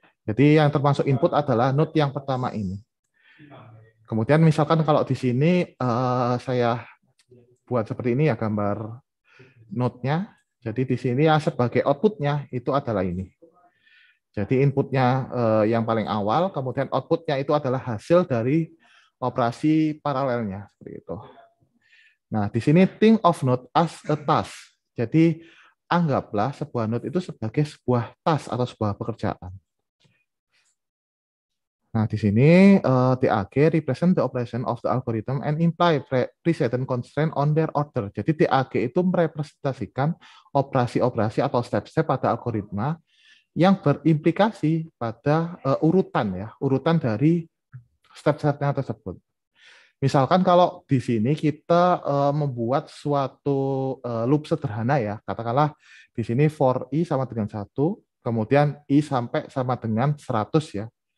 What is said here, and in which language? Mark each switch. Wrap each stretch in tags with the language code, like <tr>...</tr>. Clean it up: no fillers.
<id>Jadi yang termasuk input adalah node yang pertama ini. Kemudian misalkan kalau di sini saya buat seperti ini ya gambar node-nya. Jadi di sini ya sebagai output-nya itu adalah ini. Jadi input-nya yang paling awal, kemudian output-nya itu adalah hasil dari operasi paralelnya seperti itu. Nah, di sini</id> <en>think of node as a task.</en> <id>Jadi anggaplah sebuah node itu sebagai sebuah task atau sebuah pekerjaan.</id> <en>Nah, di sini TAG represent the operation of the algorithm and imply preceden constraint on their order.</en> <id>Jadi TAG itu merepresentasikan operasi-operasi atau step-step pada algoritma yang berimplikasi pada urutan ya, urutan dari step-stepnya tersebut. Misalkan kalau di sini kita membuat suatu loop sederhana ya, katakanlah di sini for i sama dengan 1, kemudian i sampai sama dengan 100 ya.</id>